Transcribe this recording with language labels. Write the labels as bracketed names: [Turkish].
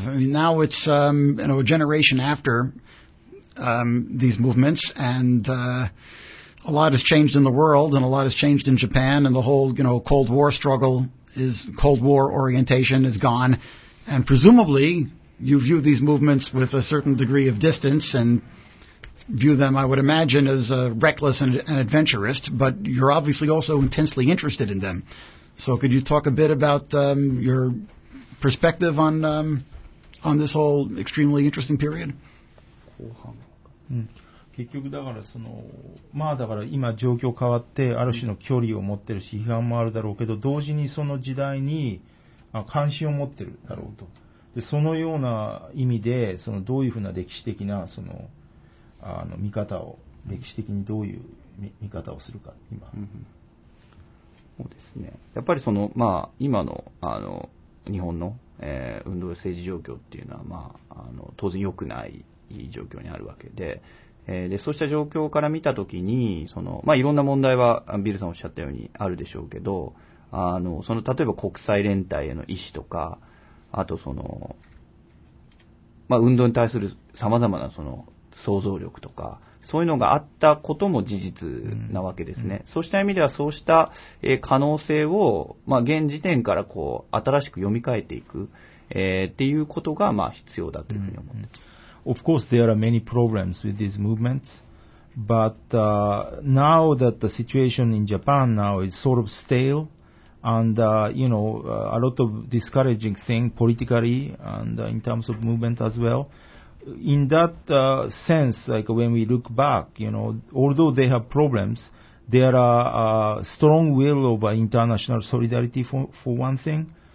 [English] I mean, now it's you know, a generation after these movements, and a lot has changed in the world, and a lot has changed in Japan, and the whole Cold War struggle is Cold War orientation is gone, and presumably you view these movements with a certain degree of distance and view them, I would imagine, as reckless and adventurous, but you're obviously also intensely interested in them. So could you talk a bit about your perspective on this whole extremely interesting period? [Japanese] 後半。うん。結局だからそのまあだから今状況変わってある種の距離を持ってるし批判もあるだろうけど同時にその時代に関心を持ってるだろうと。でそのような意味でそのどういうふうな歴史的なその見方を歴史的にどういう見方をするか今。うん。そうですね、やっぱりその、まあ、今 の, 日本の、運動政治状況っていうのは、まあ、当然良くない状況にあるわけ で,、でそうした状況から見たときにその、まあ、いろんな問題はビルさんおっしゃったようにあるでしょうけどその例えば国際連帯への意思とかあとその、まあ、運動に対するさまざまなその想像力とかそういうのがあったことも事実なわけですね。うんうん、そうした意味では、そうした可能性を、まあ、現時点からこう新しく読み替えていく、っていうことがまあ必要だというふうに思っています。 [English] Of course, there are many problems with these movements, but now that the situation in Japan now is sort of stale, and you know, a lot of discouraging thing politically and in terms of movement as well. In that sense, like when we look back, you know, although they have problems, there are a strong will of international solidarity for one thing.